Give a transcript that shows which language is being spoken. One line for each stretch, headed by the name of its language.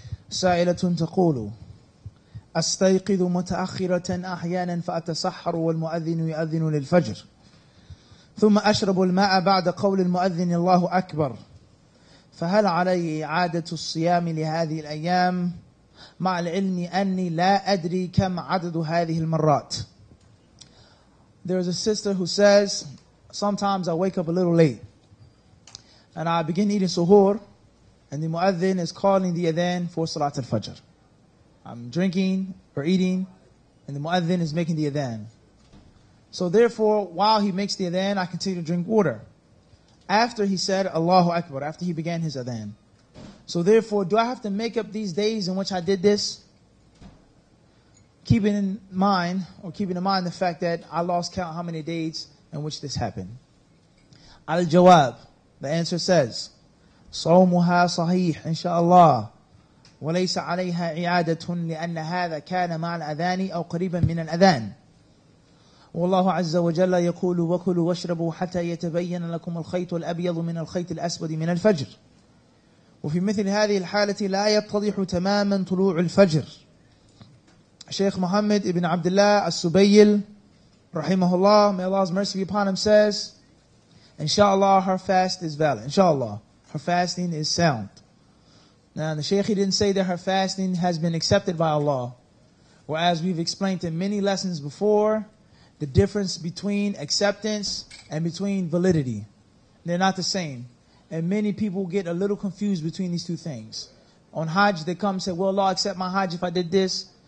Arabic: سائلة تقول أستيقظ متأخرة أحيانا فأتسحر والمؤذن يؤذن للفجر ثم أشرب الماء بعد قول المؤذن الله أكبر فهل علي إعادة الصيام لهذه الأيام مع العلم أني لا أدري كم عدد هذه المرات.
English: There is a sister who says, sometimes I wake up a little late and I begin eating suhoor and the muadhin is calling the adhan for salat al-fajr. I'm drinking or eating and the muadhin is making the adhan. So therefore, while he makes the adhan, I continue to drink water. After he said Allahu Akbar, after he began his adhan. So therefore, do I have to make up these days in which I did this? Keeping in mind the fact that I lost count how many days in which this happened. Al-Jawab, the answer says,
Arabic: صومها صحيح إن شاء الله وليس عليها إعادة لأن هذا كان مع الأذان أو قريبا من الأذان والله عز وجل يقول وكلوا واشربوا حتى يتبين لكم الخيط الأبيض من الخيط الأسود من الفجر وفي مثل هذه الحالة لا يتضح تماما طلوع الفجر
English: شيخ محمد بن عبد الله السبيل رحمه الله may Allah's mercy be upon him says إن شاء الله her fast is valid إن شاء الله Her fasting is sound. Now the Shaykh didn't say that her fasting has been accepted by Allah. Whereas we've explained in many lessons before, the difference between acceptance and between validity. They're not the same. And many people get a little confused between these two things. On Hajj they come and say, Will Allah accept my Hajj if I did this?